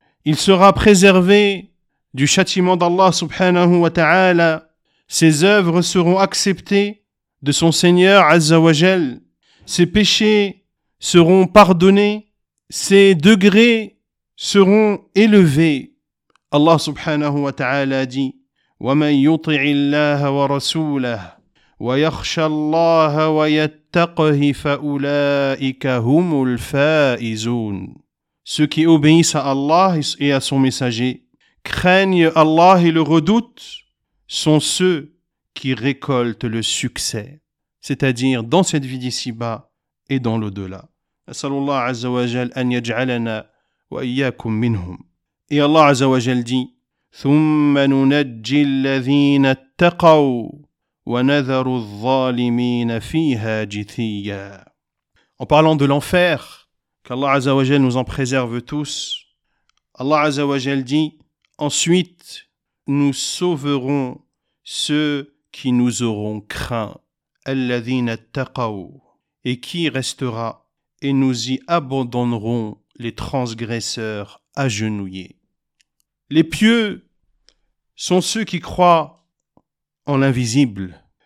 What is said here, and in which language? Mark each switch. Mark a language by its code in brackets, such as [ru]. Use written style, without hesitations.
[fr] Il sera préservé du châtiment d'Allah subhanahu wa ta'ala. Ses œuvres seront acceptées de son Seigneur Azza wa Jal. Ses péchés seront pardonnés. Ses degrés seront élevés. [ar] Allah subhanahu wa ta'ala dit وَمَنْ يُطِعِ اللَّهَ وَرَسُولَهُ وَيَخْشَ اللَّهَ وَيَتَّقْهِ فَأُولَٰئِكَ هُمُ الْفَائِزُونَ. [fr] Ceux qui obéissent à Allah et à son messager, craignent Allah et le redoutent, sont ceux qui récoltent le succès, c'est-à-dire dans cette vie d'ici-bas et dans l'au-delà. [ar] أَسَلُوا اللَّهَ عَزَّ وَجَلْ أَنْ يَجْعَلَنَا وَإِيَّاكُمْ مِنْهُمْ. Et Allah عز وجل dit ثُمَّ نُنَجِّ الَّذِينَ اتَّقَوْا وَنَذَرُ الظَّالِمِينَ فِيهَا جِثِيًّا. [fr] En parlant de l'enfer, qu'Allah Azza wa Jal nous en préserve tous, Allah Azza wa Jal dit « Ensuite, nous sauverons ceux qui nous auront craints, [ar] الَّذِينَ اتَّقَوْا, [fr] et qui restera, et nous y abandonnerons les transgresseurs agenouillés. » Les pieux sont ceux qui croient en l'invisible.